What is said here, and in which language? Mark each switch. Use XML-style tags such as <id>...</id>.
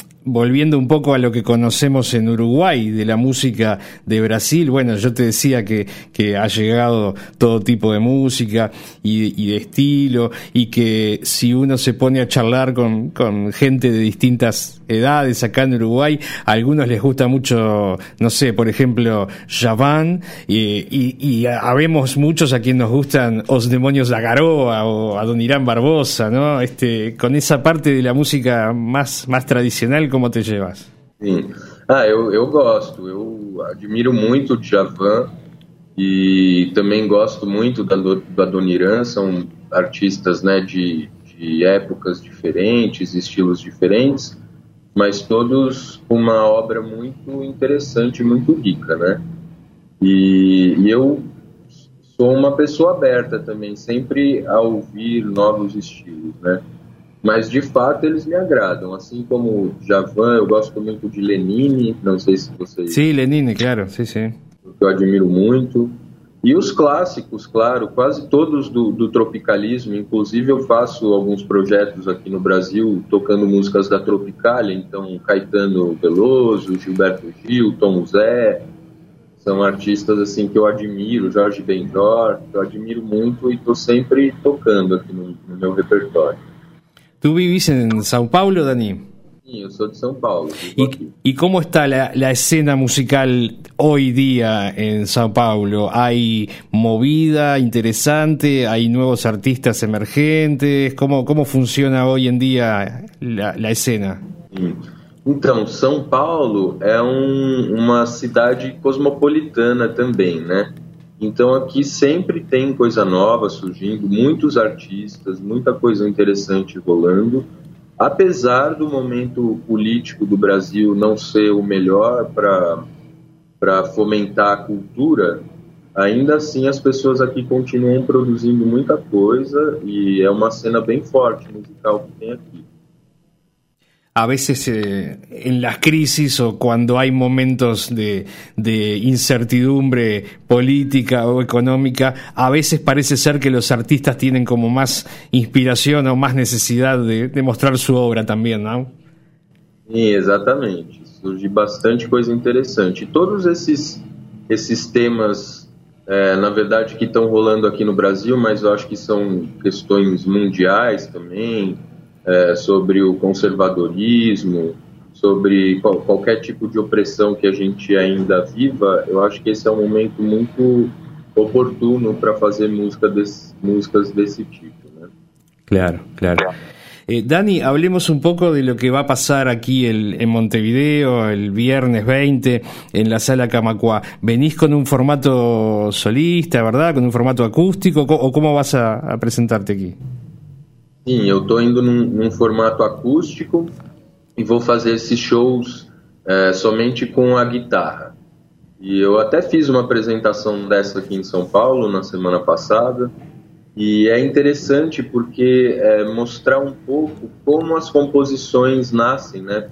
<es>Volviendo un poco a lo que conocemos en Uruguay de la música de Brasil, bueno, yo te decía que ha llegado todo tipo de música y de estilo, y que si uno se pone a charlar con gente de distintas edades acá en Uruguay, a algunos les gusta mucho, no sé, por ejemplo, Javan, y habemos muchos a quien nos gustan Os Demonios da Garoa o Adoniran Barbosa, ¿no? Con esa parte de la música más tradicional, como te llevas?</es> <pt>Sim. Ah, eu gosto, eu admiro muito o Djavan e também gosto muito do Adoniran, são artistas, né, de épocas diferentes, estilos diferentes, mas todos uma obra muito interessante, muito rica, né? E eu sou uma pessoa aberta também, sempre a ouvir novos estilos, né? Mas, de fato, eles me agradam. Assim como Javan, eu gosto muito de Lenine, não sei se vocês... Sim, Lenine, claro, sim. Porque eu admiro muito. E os clássicos, claro, quase todos do tropicalismo. Inclusive, eu faço alguns projetos aqui no Brasil tocando músicas da Tropicália. Então, Caetano Veloso, Gilberto Gil, Tom Zé. São artistas assim, que eu admiro, Jorge Benjor, que eu admiro muito e estou sempre tocando aqui no meu repertório.</pt> <es>¿Tú vivís en São Paulo, Dani? Sí, yo soy de São Paulo. ¿Y cómo está la escena musical hoy día en São Paulo? ¿Hay movida interesante? ¿Hay nuevos artistas emergentes? ¿Cómo funciona hoy en día la escena? Entonces, São Paulo es una ciudad cosmopolitana también, ¿no?</es> <pt>Então aqui sempre tem coisa nova surgindo, muitos artistas, muita coisa interessante rolando, apesar do momento político do Brasil não ser o melhor para fomentar a cultura, ainda assim as pessoas aqui continuam produzindo muita coisa e é uma cena bem forte musical que tem aqui.</pt> <es>A veces en las crisis o cuando hay momentos de incertidumbre política o económica, a veces parece ser que los artistas tienen como más inspiración o más necesidad de mostrar su obra también, ¿no? Sí, exactamente. Surge bastante cosa interesante.</es> <pt>Todos esses temas, na verdade,</pt> <es>que están rolando aquí</es> <pt>no Brasil, mas yo acho que son questões mundiais también, sobre o conservadorismo, sobre qualquer tipo de opressão que a gente ainda viva, eu acho que esse é um momento muito oportuno para fazer músicas desse tipo, né?</pt> <es>Claro, claro. Dani, hablemos un poco de lo que va a pasar aquí en Montevideo el viernes 20 en la Sala Camacuá. ¿Venís con un formato solista, verdad? ¿Con un formato acústico? ¿O cómo vas a presentarte aquí?</es> <pt>Sim, eu estou indo num formato acústico e vou fazer esses shows somente com a guitarra. E eu até fiz uma apresentação dessa aqui em São Paulo na semana passada e é interessante porque é mostrar um pouco como as composições nascem, né?</pt>